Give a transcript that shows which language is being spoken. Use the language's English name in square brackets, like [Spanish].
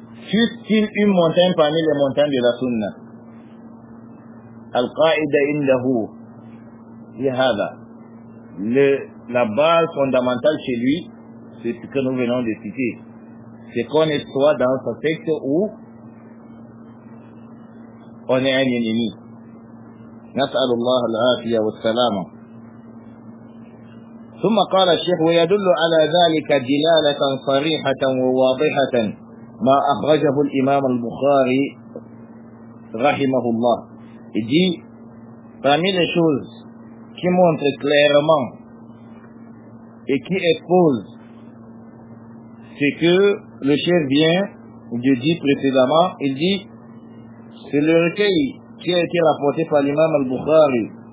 [French] Fût-il une montagne parmi les montagnes de la Sunna? [Arabic] Al-Qaïda indahu. Yahada. [French] La base fondamentale chez lui, c'est ce que nous venons de citer. C'est qu'on est soit dans sa secte ou on est un ennemi. [Arabic] نسأل الله العافية والسلامة. ثم قال الشيخ ويدل على ذلك دلالة صريحة وواضحة ما أخرجه الإمام البخاري رحمه الله. [French] Il dit parmi les choses qui montrent clairement et qui exposent ce que le cheikh vient de dire précédemment, il dit c'est le recueil qui a été rapporté par l'imam al-Bukhari